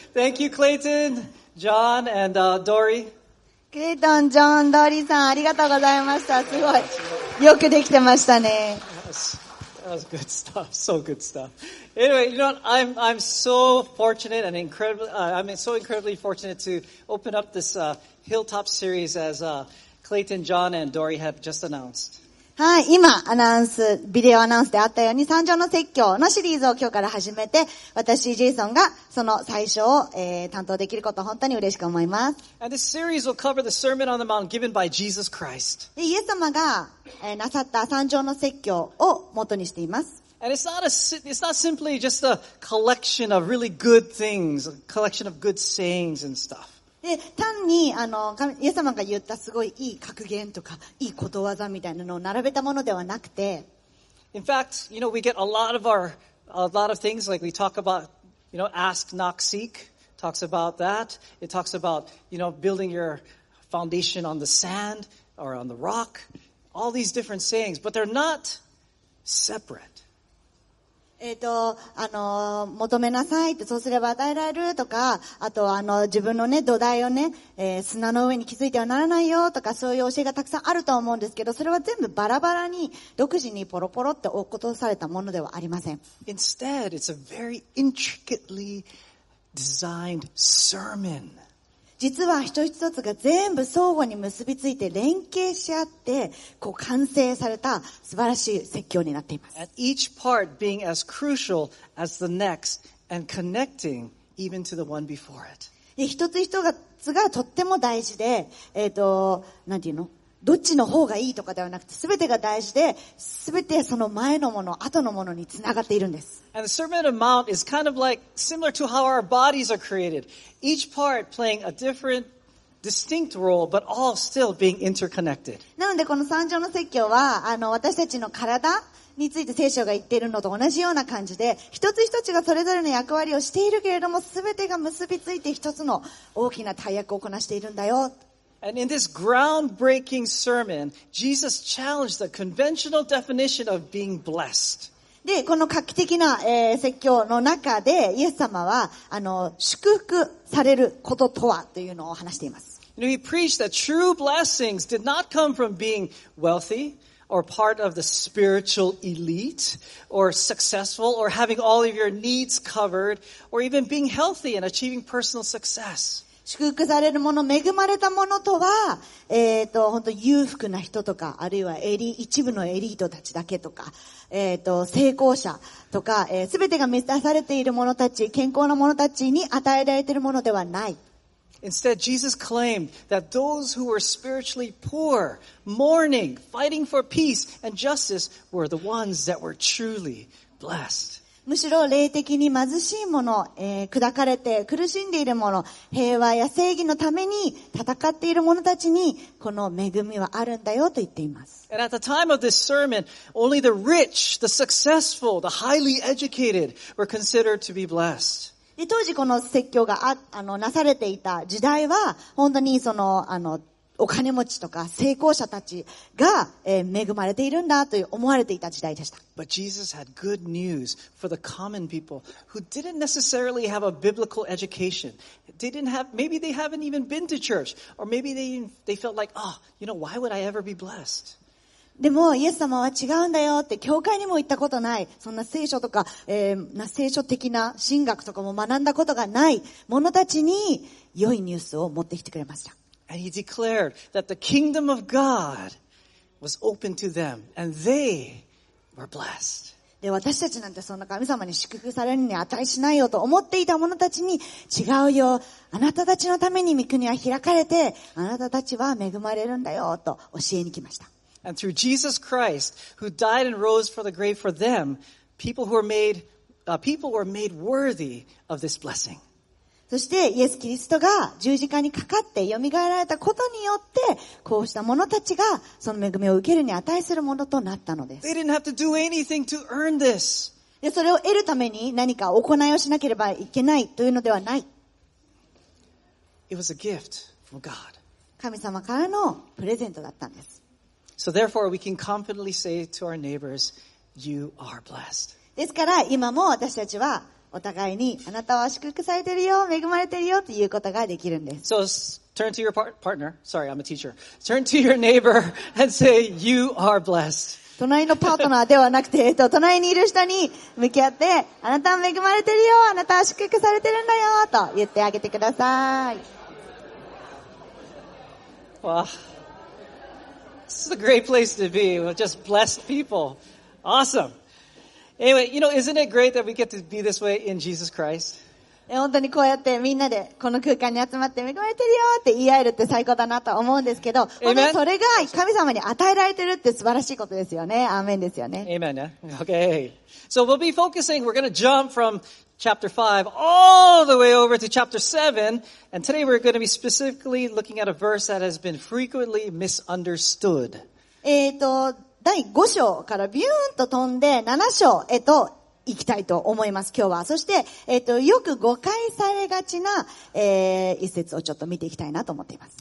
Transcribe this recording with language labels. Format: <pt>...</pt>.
<en>Thank you, Clayton, John, and Dory.</en> <ja>クレイトン、ジョン、ドーリーさん、ありがとうございました。すごい、よくできてましたね。</ja> <en>That was good stuff. So good stuff. Anyway, you know, I'm so fortunate and incredibly, I'm so incredibly fortunate to open up this Hilltop series as Clayton, John, and Dory have just announced.</en> <ja>はい、今アナウンス、ビデオアナウンスであったように山上の説教のシリーズを今日から始めて、私ジェイソンがその最初を、担当できることを本当に嬉しく思います。</ja> <en>And this series will cover the Sermon on the Mount given by Jesus Christ.</en> <ja>でイエス様が、なさった山上の説教を元にしています。</ja> <en>And it's not simply just a collection of really good things, a collection of good sayings and stuff.</en> <ja>で単にイエス様が言ったすごいいい格言とかいいことわざみたいなのを並べたものではなくて、</ja> <en>In fact, you know, we get a lot of things like we talk about, you know, ask, knock, seek talks about that. It talks about, you know, building your foundation on the sand or on the rock. All these different sayings, but they're not separate.</en> <ja>求めなさいってそうすれば与えられるとか、あと自分のね土台をね、砂の上に築いてはならないよとか、そういう教えがたくさんあると思うんですけど、それは全部バラバラに独自にポロポロって落っことされたものではありません。</ja> <en>Instead, it's a very intricately designed sermon.</en> <ja>実は一つ一つが全部相互に結びついて連携し合って、こう完成された素晴らしい説教になっています。</ja> <en>And each part being as crucial as the next and connecting even to the one before it.</en> <ja>一つ一つがとっても大事で、なんていうの？どっちの方がいいとかではなくて、すべてが大事で、すべてその前のもの、後のものにつながっているんです。</ja> <en>And the Sermon on the Mount is kind of like similar to how our bodies are created. Each part playing a different, distinct role, but all still being interconnected.</en> <ja>なので、この山上の説教は、私たちの体について聖書が言っているのと同じような感じで、一つ一つがそれぞれの役割をしているけれども、すべてが結びついて一つの大きな大役をこなしているんだよ。</ja> <en>And in this groundbreaking sermon, Jesus challenged the conventional definition of being blessed.</en> <ja>で、この画期的な、説教の中で、イエス様は、祝福されることとはというのを話しています。</ja> <en>You know, he preached that true blessings did not come from being wealthy or part of the spiritual elite or successful or having all of your needs covered or even being healthy and achieving personal success.</en> <ja>祝福されるもの、恵まれたものとは、本当裕福な人とか、あるいは一部のエリートたちだけとか、成功者とか、すべてが満たされている者たち、健康な者たちに与えられているものではない。</ja> <en>Instead, Jesus claimed that those who were spiritually poor, mourning, fighting for peace and justice were the ones that were truly blessed.</en> <ja>むしろ霊的に貧しいもの、砕かれて苦しんでいるもの、平和や正義のために戦っている者たちにこの恵みはあるんだよと言っています。</ja> <en>And at the time of this sermon, only the rich, the successful, the highly educated were considered to be blessed.</en> <ja>で、当時この説教がなされていた時代は、本当にお金持ちとか成功者たちが、恵まれているんだと思われていた時代でした。</ja> <en>But Jesus had good news for the common people who didn't necessarily have a biblical education. They didn't have, maybe they haven't even been to church, or maybe they felt like, oh, you know, why would I ever be blessed?</en> <ja>でもイエス様は違うんだよって、教会にも行ったことない、そんな聖書とか、聖書的な神学とかも学んだことがない者たちに良いニュースを持ってきてくれました。</ja> <en>And he declared that the kingdom of God was open to them, and they were blessed.</en> <ja>で、私たちなんてそんな神様に祝福されるに値しないよと思っていた者たちに、違うよ、あなたたちのために御国は開かれて、あなたたちは恵まれるんだよと教えに来ました。</ja> <en>And through Jesus Christ, who died and rose from the grave for them, people were made worthy of this blessing.</en> <ja>そしてイエス・キリストが十字架にかかって蘇られたことによって、こうした者たちがその恵みを受けるに値するものとなったのです。</ja> <en>They didn't have to do anything to earn this.</en> <ja>で、それを得るために何か行いをしなければいけないというのではない。</ja> <en>It was a gift from God.</en> <ja>神様からのプレゼントだったんです。</ja> <en>So therefore we can confidently say to our neighbors, you are blessed.</en> <ja>ですから今も私たちはお互いにあなたは祝福されてるよ、恵まれてるよということができるんです。</ja> <en>So turn to your partner. Sorry, I'm a teacher. Turn to your neighbor and say, "You are blessed."</en> <ja>隣のパートナーではなくて、隣にいる人に向き合って、あなたは恵まれてるよ、あなたは祝福されてるんだよと言ってあげてください。</ja> <en>Wow, this is a great place to be. We're just blessed people. Awesome. Anyway, you know, isn't it great that we get to be this way in Jesus Christ?</en> <ja>本当にこうやってみんなでこの空間に集まって恵まれてるよって言い合えるって最高だなと思うんですけど、本当にそれが神様に与えられてるって素晴らしいことですよね。アーメンですよね。</ja> <en>Amen. Okay. So we'll be focusing, we're going to jump from chapter 5 all the way over to chapter 7. And today we're going to be specifically looking at a verse that has been frequently misunderstood.</en> <ja>第5章からビューンと飛んで7章へと行きたいと思います今日は。そして、よく誤解されがちな、一節をちょっと見ていきたいなと思っています。</ja>